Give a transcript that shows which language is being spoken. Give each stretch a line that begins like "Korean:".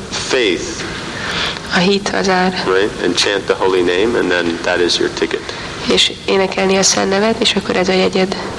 English: Faith.
Hungarian: A hit az ár.
English: Right? And chant the holy name, and then that is your ticket.
Hungarian: És énekelni a szent nevet, és akkor ez a jegyed.